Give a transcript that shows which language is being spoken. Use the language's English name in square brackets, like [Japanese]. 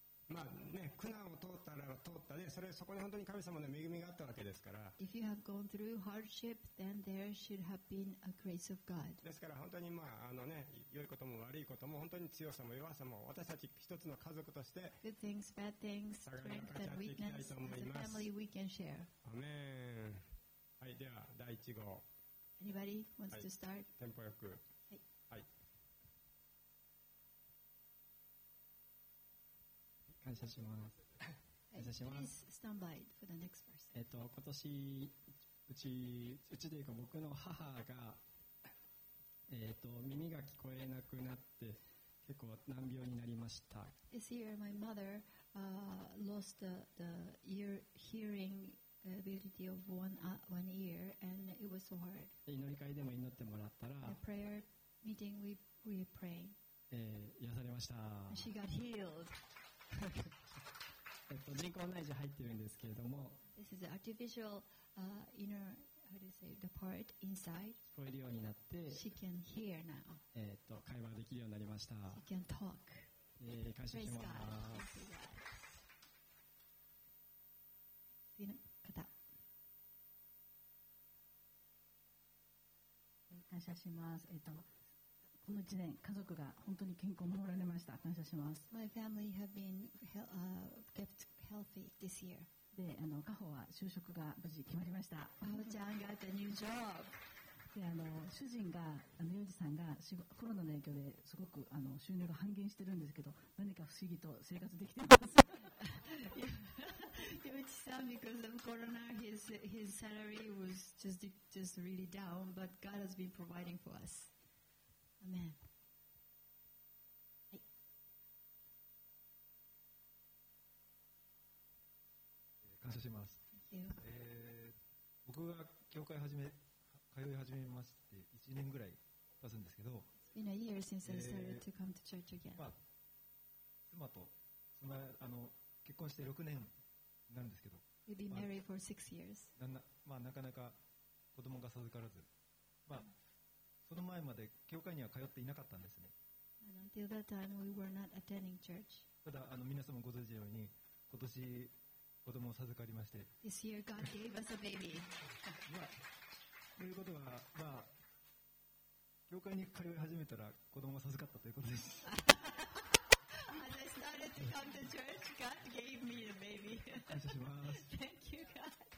[Japanese] まあね、苦難を通ったら通ったで、それそこに本当に神様の恵みがあったわけですから。 [English] If you have gone through hardship, then there should have been a grace of God. [Japanese] ですから本当に、良いことも悪いことも、本当に強さも弱さも、私たち一つの家族として [English] Good things, bad things, strength and weakness as a family we can share. [Japanese] アメン。はい、では第1号。 [English] Anybody wants to start? [Japanese] テンポよく。はい。感謝します。感謝します。 [English] Please stand by for the next person. [Japanese] 今年うちというか僕の母が耳が聞こえなくなって結構難病になりました。 [English] This year my mother lost the ear hearing. Ability of one ear, and it was so hard. [Japanese] 祈り会でも祈ってもらったら、 [English] A prayer meeting we pray. [Japanese] 癒されました。 [English] She got healed. [Japanese] 人工内耳入ってるんですけれども、 [English] This is an artificial inner how do you say the part inside. [Japanese] 聞こえるようになって、 [English] She can hear now. [Japanese] 会話できるようになりました。 [English] She can talk. [Japanese] 感謝します。 [English] Praise God. [Japanese] します。この1年家族が本当に健康を守られました。感謝します。 [English] My family have been kept healthy this year. [Japanese] で、カホは就職が無事決まりました。 [English] カホちゃん got a new job. [Japanese] で、主人がヨジさんがコロナの影響ですごく収入が半減してるんですけど、何か不思議と生活できてます。 [English] ヨジさん because of corona his salary was just really down, but God has been providing for us. [Japanese] Amen. はい。感謝します。 [English] Thank [Japanese] you. 僕が教会通い始めまして1年ぐらい経つんですけど、 [English] It's been a year since I started to come to church again. [Japanese] まあ、妻結婚して6年なんですけど、 [English] We've been married for 6 years. [Japanese] なかなか子供が授からず、その前まで教会には通っていなかったんですね。 [English] And until that time, we were not attending church. [Japanese] ただ皆さんもご存知のように、今年子供を授かりまして、 [English] This year God gave us a baby. [Japanese] ということは、教会に通い始めたら子供を授かったということです。 [English] To come to church, God gave me a baby. Thank you, God. Amen.